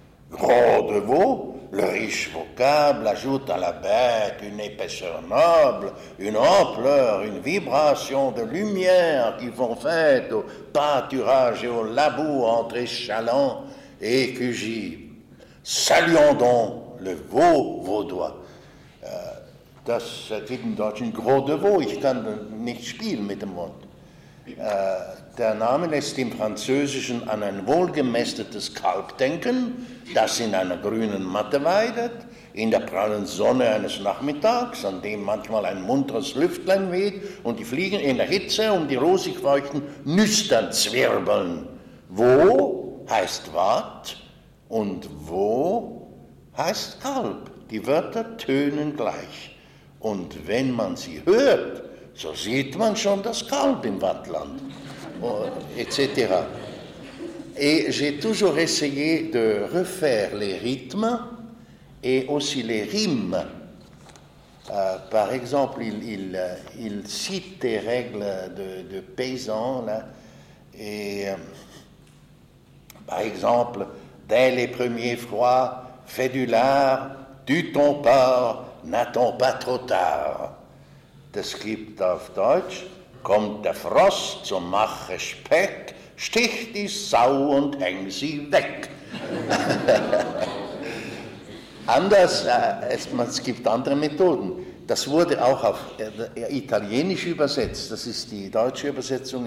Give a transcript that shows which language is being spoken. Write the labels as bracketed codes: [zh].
[fr] Gros de veau, le riche vocable ajoute à la bête une épaisseur noble, une ampleur, une vibration de lumière qui font fête au pâturage et au labour entre Échallens et Cugy. Saluons donc le veau vaudois. [de] Das Wittendeutsch, ein [fr] gros de veau, [de] ich kann nicht spielen mit dem Wort. Der Name lässt im Französischen an ein wohlgemästetes Kalb denken, das in einer grünen Matte weidet, in der prallen Sonne eines Nachmittags, an dem manchmal ein munteres Lüftlein weht und die Fliegen in der Hitze um die rosig feuchten Nüstern zwirbeln. Wo heißt Watt und wo heißt Kalb? Die Wörter tönen gleich. Und wenn man sie hört, so sieht man schon das Kalb im Wattland, etc. [fr] Et j'ai toujours essayé de refaire les rythmes et aussi les rimes. Par exemple, il cite des règles de paysans, là, et par exemple, dès les premiers froids, fais du lard, tue ton porc, n'attends pas trop tard. [de] Das gibt auf Deutsch, kommt der Frost, so mache Speck, stich die Sau und häng sie weg. Anders, es gibt andere Methoden. Das wurde auch auf Italienisch übersetzt, das ist die deutsche Übersetzung.